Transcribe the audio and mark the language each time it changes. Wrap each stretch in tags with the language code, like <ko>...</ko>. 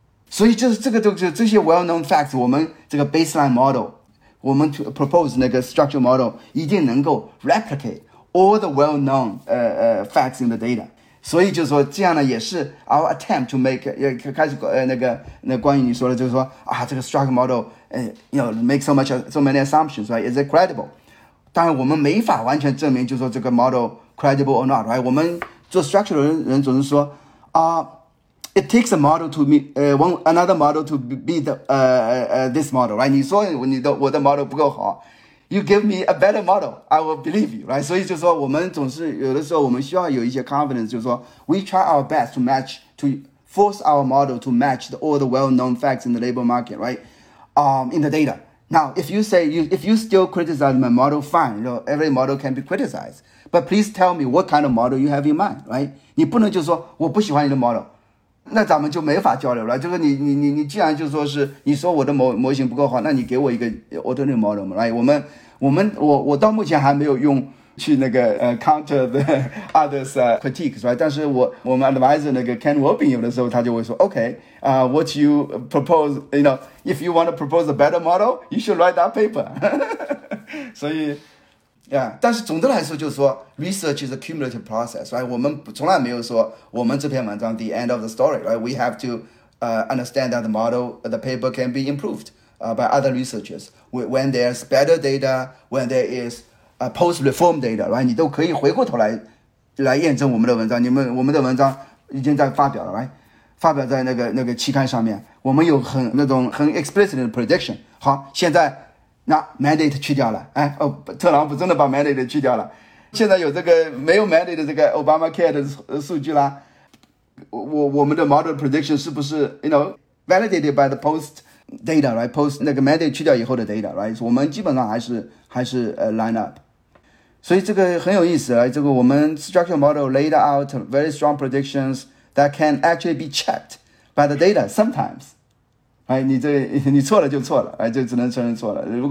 <en>所以这些 well known facts 我们这个 baseline model我们 propose 那个 structure model 一定能够 replicate all the well-known facts in the data，</en> <zh>所以就是说这样呢也是</zh> <en>our attempt to make</en> <zh>开始那关于你说的就是说啊这个</zh> <en>structure model make so many assumptions right is it credible？</en> <zh>当然我们没法完全证明就是说这个</zh> <en>model credible or not right？</en> <zh>我们做 structure 的人总是说啊。</zh> <en>It takes a model to meet another model to be this model, right? 你说我的 model 不够好 ，You give me a better model, I will believe you, right?</en> <zh>所以就说我们总是有的时候我们需要有一些</zh> <en>confidence， 就是说 we try our best to match to force our model to match all the well-known facts in the labor market, right? In the data. Now, if you still criticize my model, fine. You know, every model can be criticized, but please tell me what kind of model you have in mind, right?</en> <zh>你不能就说我不喜欢你的 model。那咱们就没法交流了，就是你既然就说是你说我的模型不够好，那你给我一个 alternative model 嘛，来，我到目前还没有用去那个</zh> <en>counter the others critiques，</en> <zh>right？</zh> <en>但是我们 advisor 那个 Ken Wilbin</en> <zh>有的时候他就会说</zh> <en>OK， what you propose， you know， if you want to propose a better model， you should write that paper 。</en> <zh>所以 ，yeah， 但是总的来说就是说。</zh> <en>Research is a cumulative process, right?</en> <zh>我们从来没有说我们这篇文章</zh> <en>the end of the story, right? We have to understand that the model, the paper can be improved by other researchers. When there's better data, when there is post-reform data, right?</en> <zh>你都可以回过头来验证我们的文章。我们的文章已经在发表了 ，right? 发表在那个期刊上面。我们有很 explicit prediction. 好，现在那 mandate 去掉了，哎，哦，特朗普真的把 mandate 去掉了。现在有这个没有 mandate 的这个 Obamacare 的数据啦，我们的 model prediction 是不是</zh> <en>validated by the post data</en> <zh>right post 那个 mandate 去掉以后的 data right 我们基本上还是line up， 所以这个很有意思啊，这个我们 structural model</zh> <en>laid out very strong predictions that can actually be checked by the data sometimes，</en> <zh>哎，你错了就错了，哎，就只能承认错了。</zh>